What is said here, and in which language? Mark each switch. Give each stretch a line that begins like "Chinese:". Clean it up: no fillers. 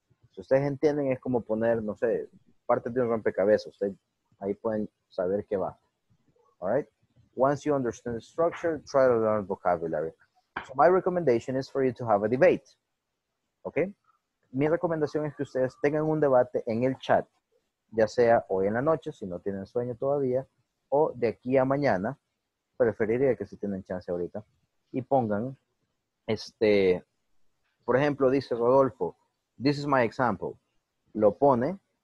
Spanish: Si ustedes entienden, es como poner, no sé, parte de un rompecabezas. Ustedes ahí pueden saber qué va.
English: All right, once you understand the structure, try to learn vocabulary. So my recommendation is for you to have a debate, okay?
Spanish: Mi recomendación es que ustedes tengan un debate en el chat, ya sea hoy en la noche, si no tienen sueño todavía, o de aquí a mañana, preferiría que si tienen chance ahorita, y pongan, por ejemplo, dice Rodolfo,
English: this is my example,
Spanish: lo pone,